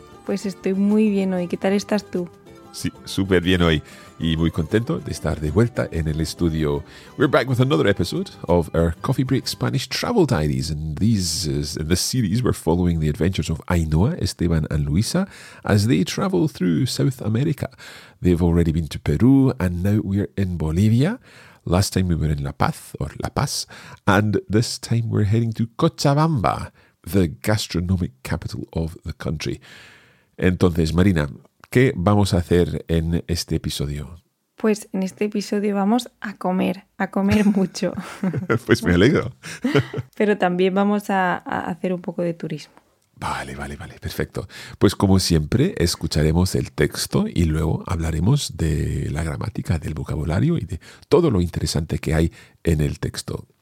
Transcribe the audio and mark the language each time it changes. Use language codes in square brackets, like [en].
[es] Pues estoy muy bien hoy. ¿Qué tal estás tú? Sí, súper bien hoy. Y muy contento de estar de vuelta en el estudio. [en] We're back with another episode of our Coffee Break Spanish Travel Diaries. In this series, we're following the adventures of Ainhoa, Esteban and Luisa as they travel through South America. They've already been to Peru and now we're in Bolivia. Last time we were in La Paz or La Paz. And this time we're heading to Cochabamba, the gastronomic capital of the country. [es] Entonces, Marina, ¿qué vamos a hacer en este episodio? Pues en este episodio vamos a comer mucho. Pues me alegro. Pero también vamos a hacer un poco de turismo. Vale, perfecto. Pues como siempre, escucharemos el texto y luego hablaremos de la gramática, del vocabulario y de todo lo interesante que hay en el texto.